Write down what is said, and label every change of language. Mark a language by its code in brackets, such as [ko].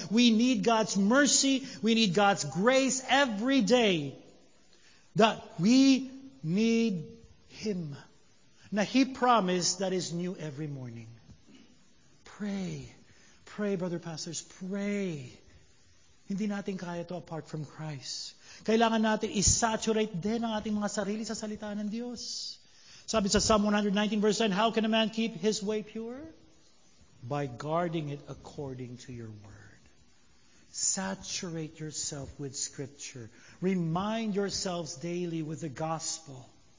[en] We need God's mercy, we need God's grace every day. That we need Him. Na He promised that is new every morning. Pray. Pray, brother pastors, pray. [tl] Hindi natin kaya to [en] apart from Christ. [tl] Kailangan natin isaturate din ang ating mga sarili sa salita ng Diyos. Sabi sa [en] Psalm 119 verse 9, how can a man keep his way pure? By guarding it according to your word. Saturate yourself with scripture. Remind yourselves daily with the gospel.